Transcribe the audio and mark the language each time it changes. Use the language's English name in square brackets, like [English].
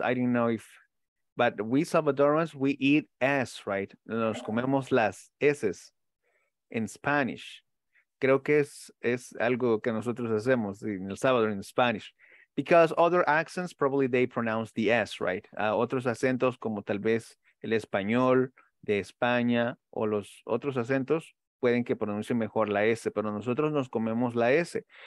[English] I didn't know if, but we Salvadorans, we eat S, right? [Spanish] Nos comemos las S's [English] in Spanish. [Spanish] Creo que es algo que nosotros hacemos en El Salvador [English] in Spanish. Because other accents, probably they pronounce the S, right? [Spanish] Otros acentos como tal vez el español de España o los otros acentos, pueden que pronuncie mejor la S, pero nosotros nos comemos la S.